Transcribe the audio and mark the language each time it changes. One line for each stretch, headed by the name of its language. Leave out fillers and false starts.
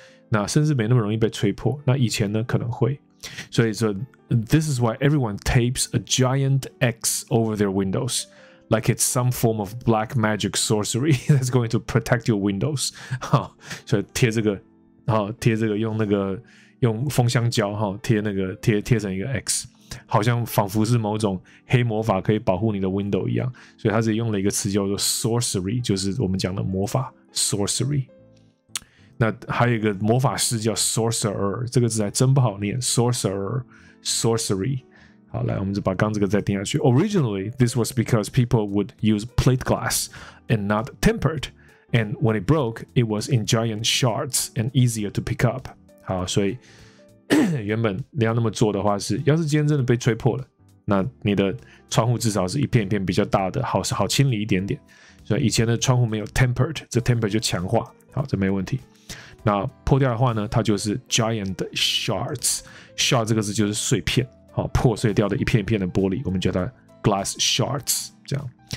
Chinese: 那甚至没那么容易被吹破，那以前呢可能会，所以说
English: This is why everyone tapes a giant X over their windows like it's some form of black magic sorcery that's going to protect your windows、
Chinese: 哦、所以贴这个、哦、贴这个用那个用封箱胶、哦、贴那个 贴成一个 X， 好像仿佛是某种黑魔法可以保护你的 window 一样。所以他只用了一个词叫做 sorcery， 就是我们讲的魔法 sorcery。那还有一个魔法师叫 sorcerer， 这个字还真不好念 sorcerer sorcery。好，来，我们就把刚这个再定下去。
English: Originally this was because people would use plate glass and not tempered, and when it broke it was in giant shards and easier to pick up。
Chinese: 好，所以原本你要那么做的话是，要是今天真的被吹破了，那你的窗户至少是一片一片比较大的，好是好清理一点点。所以以前的窗户没有 tempered， 这 tempered 就强化，好，这没问题。那破掉的话呢，它就是 giant shards， shard 这个字就是碎片，好，破碎掉的一片一片的玻璃，我们叫它 glass shards， 这样。